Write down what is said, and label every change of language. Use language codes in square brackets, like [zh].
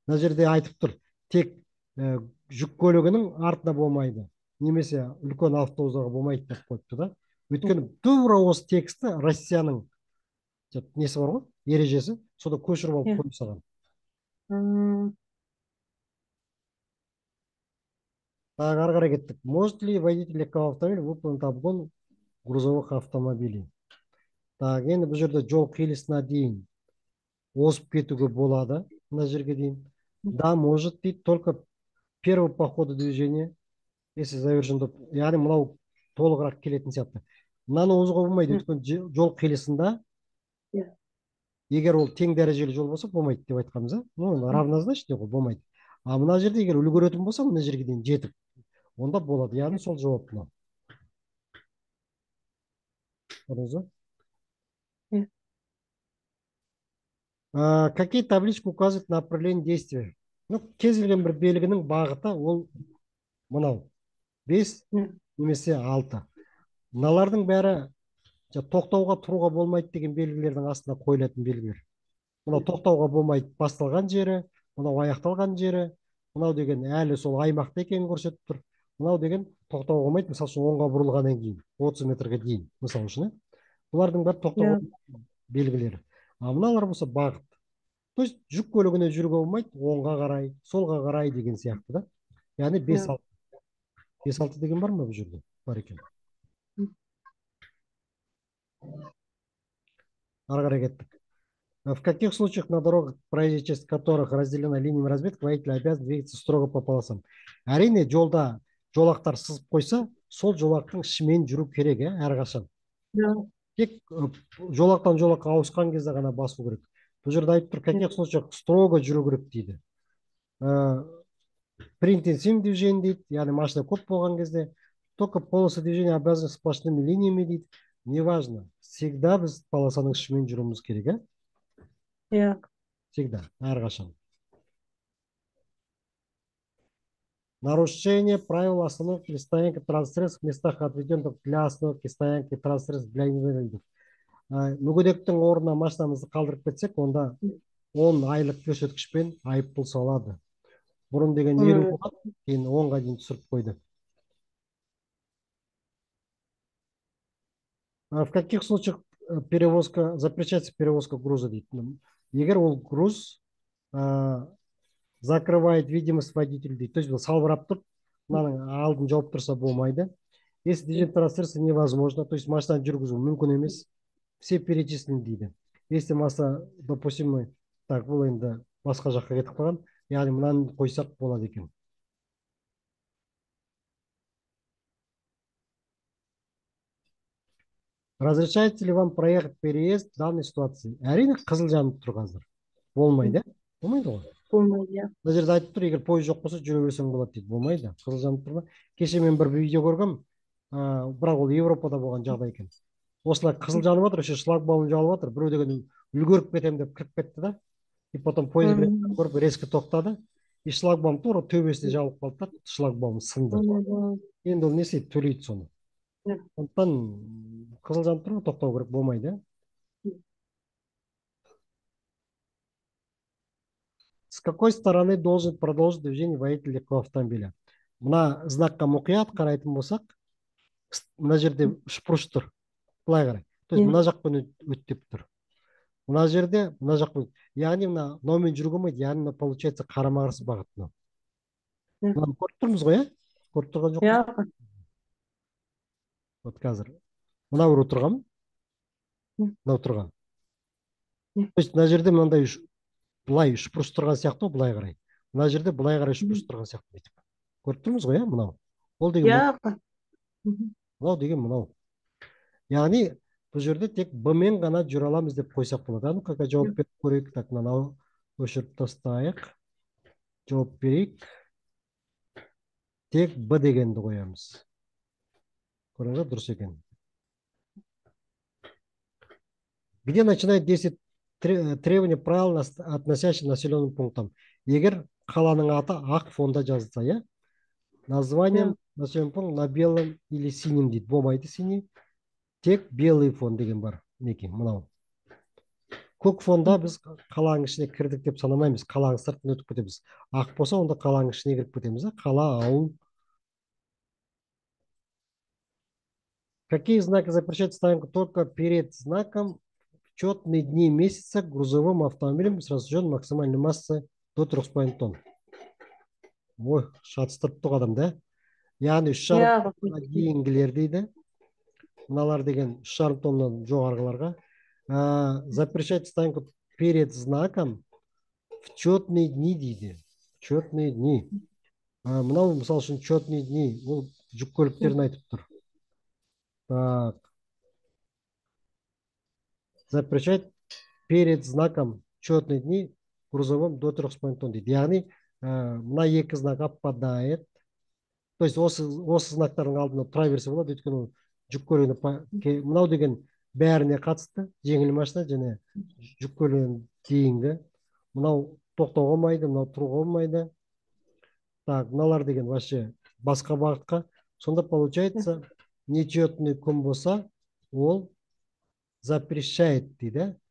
[kk] Мына жерде айтып тұр, тек жүк көлігінің артында болмайды, немесе үлкен автобустарға болмайды деп қойыпты да. Өйткені тура осы тексті Россияның несі бар ғой, ережесі, сонда көшіріп алып қойып салған. Тағы ары қарай кеттік. [ru] Mostly водитель легкого автомобиля выполнит обгон грузовых автомобилей. [kk] Так, енді бұл жерде жол қиылысына дейін озып кетуге болады, мына жерге дейін. [ru] Да, может дейді, только первый по ходу движения, если завершен деп, [kk] яғни мынау толығырақ келетін сияқты. Мынаны озуға болмайды, өйткені жол қиылысында егер ол тең дәрежелі жол болса болмайды деп айтқанбыз. [ru] Ну, равнозначный [kk] ғой, болмайды. А мына жерде егер үлгеретін болса, мына жерге дейін жетіп, онда болады. Яғни сол жауап мынау. [ru] Какие таблички указывают направление действия? [kk] Ну, кез келген бір белгінің бағыты ол мынау. 5 немесе 6. Мыналардың бәрі тоқтауға тұруға болмайды деген белгілердің астына қойылатын белгілер. Мынау тоқтауға болмайды басталған жері, мынау аяқталған жері, мынау деген әлі сол аймақта екенін көрсетіп тұр. Мынау деген тоқтауға болмайды, мысалы үшін оңға бұрылғаннан кейін 30 метрге дейін, мысалы үшін. Бұлардың бәрі тоқтауға белгілері. А мыналар болса бағыт. [ru] То есть [kk] жүк көлігіне жүруге болмайды, оңға қарай, солға қарай деген сияқты да. Яғни 5-6. 5-6 деген бар ма бұл жерде? Бар екен. Ары қарай кеттік. [ru] В каких случаях на дорогах, проезжая часть которых разделена линиями разметки, водитель обязан двигаться строго по полосам? [kk] Әрине, жолда жолақтар сызып қойса, сол жолақтың ішімен жүру керек, әрқашан. Тек жолақтан жолаққа ауысқан кезде ғана басу керек. Бұл жерде айтып тұр, [ru] каких случаях строго [kk] жүру керек дейді. При интенсивном движении дейді, яғни машина көп болған кезде, только полосы движения обязаны сплошными линиями дейді. [ru] Неважно, всегда [kk] біз полосаның ішімен жүруіміз керек. [ru] Всегда, [kk] әрқашан. [ru] Нарушение правил остановки стоянки транспорта в местах, отведенных для остановки стоянки транспорта для инвалидов. [kk] Мүгедектің орнына машинамызды қалдырып кетсек, онда 10 айлық көрсеткішпен айыппұл салады. Бұрын деген 20 болған, кейін 10-ға дейін түсіріп қойды. [ru] В каких случаях перевозка запрещается перевозка груза дейді? [kk] Егер ол [ru] груз закрывает видимость водителя [kk] дейді. [ru] То есть [kk] салбырап тұр, мынаның алдын жауып тұрса болмайды. [ru] Если движение трассы невозможно, то есть [kk] машинаны жүргізу мүмкін емес, [ru] все перечислены дейді. Если маса, допустим, так, [kk] бұл енді басқа жаққа кетіп қалған, яғни мынаны қойсақ болады екен. [ru] Разрешается ли вам проехать переезд в данной ситуации? [kk] Әрине, қызыл жанып тұр қазір. Болмайды, болмайды ғой. Болмайды. Мына жерде айтып тұр, егер пойыз жоқ болса жүре берсең болады дейді. Болмайды, қызыл жанып тұр ма? Кеше мен бір видео көргем, бірақ ол Европада болған жағдай екен. Осылай қызыл жанып жатыр, [ru] еще шлагбаум [kk] жабылып жатыр. Біреу деген үлгеріп кетемін деп кіріп кетті да, [ru] и потом [kk] пойыз келе жатқанын көріп [ru] резко [kk] тоқтады, и шлагбаум тура төбесіне жабылып қалды да, шлагбаум сынды. Енді ол несі төлейді соны. Сондықтан қызыл жанып тұр ма, тоқтау керек, болмайды. [ru] С какой стороны должен продолжить движение водитель легкого автомобиля? [kk] Мына знаққа мұқият қарайтын болсақ, мына жерде шпруш тұр, былай қарай, [ru] то есть [kk] мына жақпен өттеп тұр. Мына жерде мына жақпен, яғни мына номен жүруге болмайды, яғни мына [ru] получается [kk] қарама қарсы бағыт. Мынаны көріп тұрмыз ғой, иә? Көріп тұрған жоқпыз. [ru] Вот [kk] қазір мына біреу тұрған, мынау тұрған. [ru] То есть [kk] мына жерде мынандай былай шпрыс тұрған сияқты ғой, былай қарай. Мына жерде былай қарай шпрыс тұрған сияқты бүйтіп. Көріп тұрмыз ғой, иә, мынау. Ол деген мынау. Мынау деген мынау. Яғни бұл жерде тек Б мен ғана жүре аламыз деп қойсақ болады. [ru] Ну как [kk] жауап беріп көрейік, так мынау өшіріп тастайық. Жауап берейік. Тек Б дегенді қоямыз. Көріңіздер, дұрыс екен. [ru] Где начинает действовать требования правил, относящие к населенным пунктам? [kk] Егер қаланың аты ақ фонда жазылса, иә? [ru] Названием населенный пункт на белом или синим дейді. [kk] Болмайды [ru] синий. [kk] Тек [ru] белый фон [kk] деген бар. Мінекей, мынау. көк фонда біз қаланың ішіне кірдік деп санамаймыз, қаланың сыртын өтіп кетеміз. Ақ болса онда қаланың ішіне кіріп кетеміз. Қала, ауыл. [ru] Какие знаки запрещают стоянку только перед знаком четные дни месяца грузовым автомобилем с разрешенной максимальной массой до 3,5 тонн? [kk] Ой, шатыстырып тұр адам, да? Яғни 3,5 тонна дейінгілер дейді. Мыналар деген 3,5 тоннан жоғарғыларға. [ru] Запрещать стоянку перед знаком в четные дни дейді. Четные дни. [kk] Мынау, мысалы үшін, [ru] четные дни. [kk] Ол жүк көліктерін айтып тұр. [ru] Так. Запрещать перед знаком четные дни грузовым до 3,5 тонн дейді. [kk] Яғни мына екі знак аппадает. [ru] То есть [kk] осы знактардың алдында тұра берсе болады, өйткені ол жүк көлігіне мынау деген бәріне қатысты, жеңіл машина және жүк көлігіне дейінгі. Мынау тоқтауға болмайды, мынау тұруға болмайды. Так, мыналар деген [ru] вообще [kk] басқа бағытқа. Сонда [ru] получается, нечетный [kk] күн болса, ол [ru] запрещает [kk] дейді.